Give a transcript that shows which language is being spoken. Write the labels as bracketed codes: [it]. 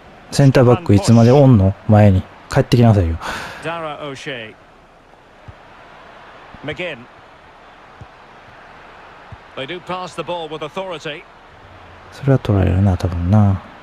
[ja] センターバックいつまでおんの、前に帰ってきなさいよ。 [en] ダラ・オシェイ、マギン、They do pass the ball with authority. [ja] それは取られるな、多分な。